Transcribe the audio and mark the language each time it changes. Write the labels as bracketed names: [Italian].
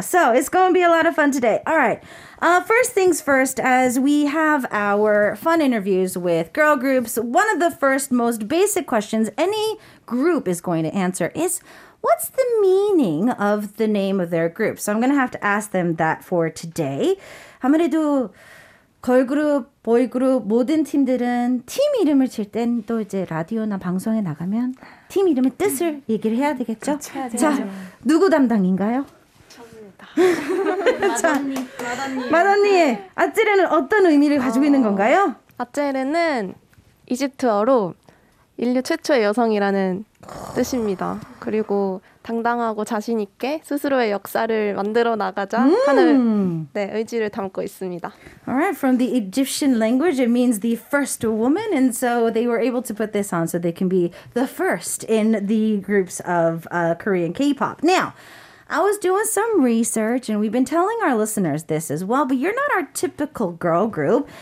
[English] So it's going to be a lot of fun today. All right. First things first, as we have our fun interviews with girl groups, one of the first most basic questions any group is going to answer is, what's the meaning of the name of their group? So I'm going to have to ask them that for today. [Korean] 아무래도 걸그룹, 보이그룹, 모든 팀들은 팀 이름을 칠 땐 또 이제 라디오나 방송에 나가면 팀 이름의 뜻을 얘기를 해야 되겠죠? 그쵸, 해야 자, 누구 담당인가요? 저입니다. 마더님. 아츠르는 어떤 의미를 가지고 있는 건가요? 아츠르는 이집트어로 인류 최초의 여성이라는 뜻입니다. 그리고 당당하고 자신 있게 스스로의 역사를 만들어 나가자 하는 네, 의지를 담고 있습니다. [English] Alright, from the Egyptian language, it means the first woman, and so they were able to put this on so they can be the first in the groups of Korean K-pop. Now, I was doing some research, and we've been telling our listeners this as well, but you're not our typical girl group.